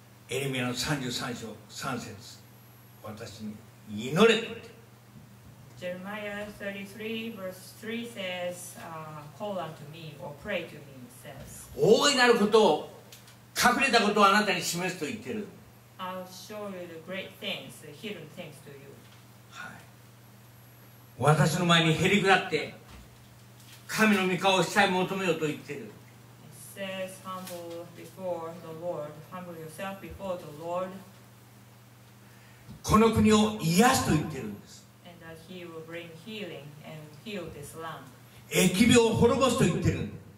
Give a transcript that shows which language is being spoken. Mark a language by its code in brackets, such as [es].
[ja] エレミアの33章3節、私に祈れと。 [en] Jeremiah 33 verse 3 says, call unto me or pray to me, says. [ja] 大いなることを隠れたことをあなたに示すと言ってる。 [en] I'll show you the great things, the hidden things to you. [ja] はい。私の前にへりくだって、神の御顔をしたい求めようと言ってる。 [en] It says, humble before the Lord, humble yourself before the Lord. [ja] この国を癒すと言ってるんです。 [en] And that he will bring healing and heal this land. [ja] 疫病を滅ぼすと言ってる。